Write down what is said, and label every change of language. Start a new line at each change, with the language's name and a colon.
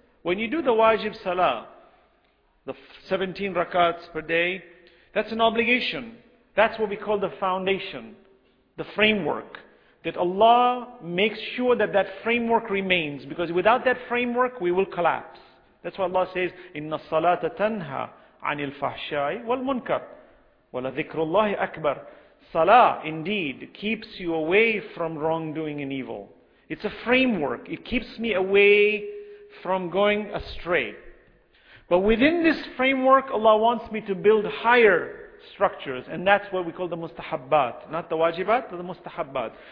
English: When you do the wajib salah, the 17 rakats per day, that's an obligation. That's what we call the foundation, the framework, that Allah makes sure that that framework remains, because without that framework, we will collapse. That's why Allah says,
Arabic: إِنَّ الصَّلَاةَ تَنْهَى عَنِ الْفَحْشَاءِ وَالْمُنْكَرِ وَلَذِكْرُ اللَّهِ أَكْبَرُ.
English: Salah indeed keeps you away from wrongdoing and evil. It's a framework. It keeps me away from going astray. But within this framework, Allah wants me to build higher structures. And that's what we call the mustahabbat. Not the wajibat, but the mustahabbat.